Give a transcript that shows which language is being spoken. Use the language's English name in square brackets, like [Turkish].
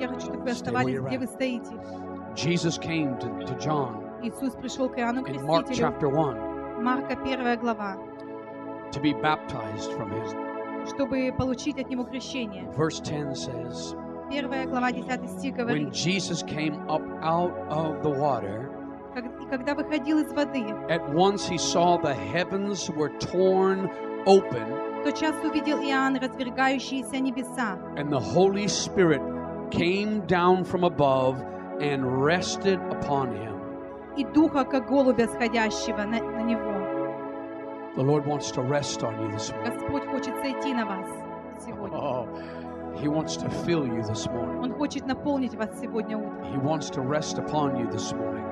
[Russian] Я хочу, чтобы вы оставались, где вы стоите. [English] Jesus came to John. [Russian] Иисус пришел к Иоанну Крестителю. [English] In Mark chapter 1. [Russian] Марка 1 глава. [English] To be baptized from him. [Russian] Чтобы получить от него крещение. [English] Verse 10 says. [Russian] Первая глава, 10 стих говорит. [English] When Jesus came up out of the water, [Russian] когда выходил из воды, [English] at once he saw the heavens were torn open, [Russian] тотчас увидел Иоанн разверзающиеся небеса, [English] and the Holy Spirit came down from above and rested upon him. [Russian] И духа как голубя сходящего на него. [English] The Lord wants to rest on you this morning. [Russian] Господь хочет сойти на вас сегодня. [English] He wants to fill you this morning. [Russian] Он хочет наполнить вас сегодня утром. [English] He wants to rest upon you this morning.